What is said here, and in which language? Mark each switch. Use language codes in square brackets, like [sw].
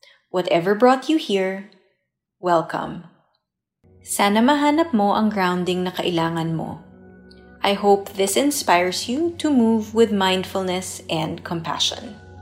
[en] Whatever brought you here, welcome. [tl] Sana mahanap mo ang grounding na kailangan mo. [en] I hope this inspires you to move with mindfulness and compassion.